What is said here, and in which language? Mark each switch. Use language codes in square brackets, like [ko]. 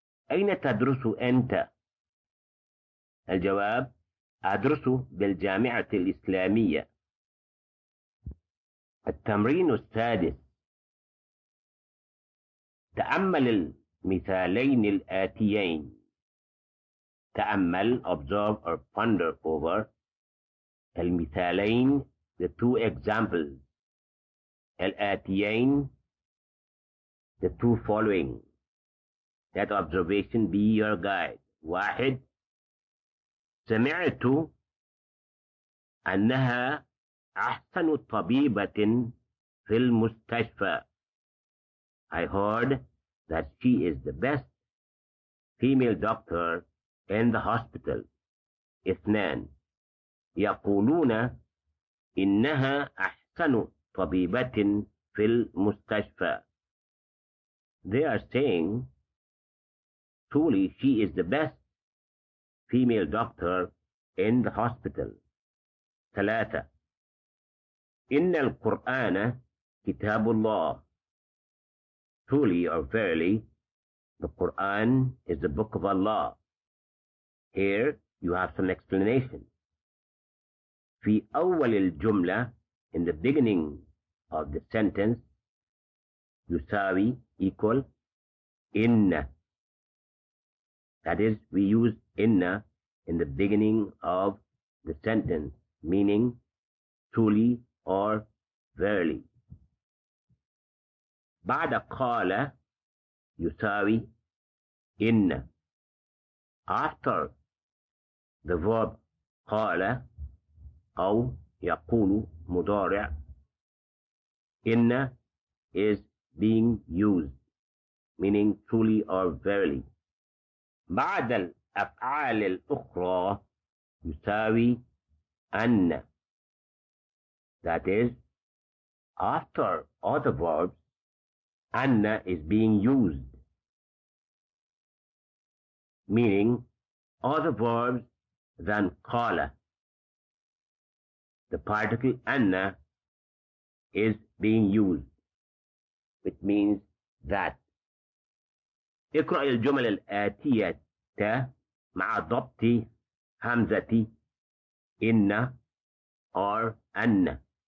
[ar] أين تدرس أنت؟ الجواب، أدرس بالجامعة الإسلامية. التمرين السادس، تأمل المثالين الآتيين. تأمل [en] observe or ponder over [ar] المثالين [en] the two examples [ar] الآتيين [en] the two following. Let observation be your guide. [ar] واحد، سمعت أنها أحسن طبيبة في المستشفى. [en] I heard that she is the best female doctor in the hospital. [ar] اثنان، يقولون إنها أحسن طبيبة في المستشفى. [en] They are saying truly she is the best female doctor in the hospital. [ar] ثلاثة، إن القرآن كتاب الله. [en] Truly or verily, the Quran is the book of Allah. Here you have some explanation. [ar] في أول الجملة، [en] in the beginning of the sentence, [ar] يساوي [en] equal إن. That is, we use إن in the beginning of the sentence, meaning truly or verily. [ar] بعد قال يساوي إن. [en] After the verb [ar] قال أو يقول مضارع، [en] إن is being used, meaning truly or verily. [ar] بعد الأفعال الأخرى يساوي أن. [en] That is, after other verbs, أن is being used, meaning other verbs than قال. The particle أن is being used, which means that. [ar] اقرأ الجمل الآتية مع ضبط همزة إن [en] or [ar] أن.